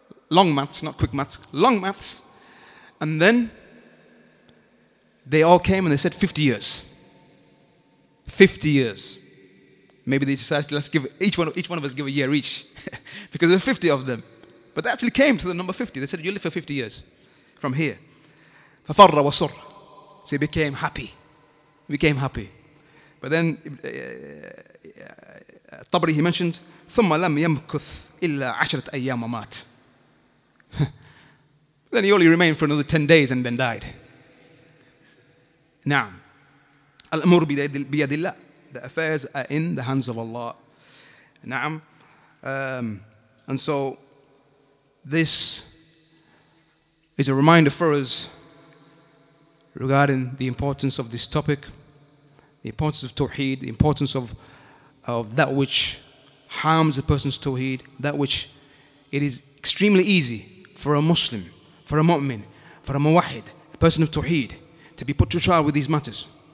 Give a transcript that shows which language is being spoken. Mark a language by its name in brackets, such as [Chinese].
[English] Long maths, not quick maths. Long maths. And then they all came and they said 50 years. 50 years. Maybe they decided, let's give each one of us give a year each. Because there were 50 of them. But they actually came to the number 50. They said, "You live for 50 years from here." [Arabic] فَفَرَّ وَصُرَّ. [English] So he became happy. He became happy. But then, Tabri, he mentions, [Arabic] ثُمَّ لَمْ يَمْكُثْ إِلَّا عَشْرَةْ أَيَّامَ وَمَاتْ. [English] Then he only remained for another 10 days and then died. [Arabic] نعم. الْأَمُرُ بِيَدِ اللَّهِ. [English] The affairs are in the hands of Allah. Na'am. And so, this is a reminder for us regarding the importance of this topic, the importance of Tawheed, the importance of that which harms a person's Tawheed, that which it is extremely easy for a Muslim, for a mu'min, for a muwahid, a person of Tawheed, to be put to trial with these matters.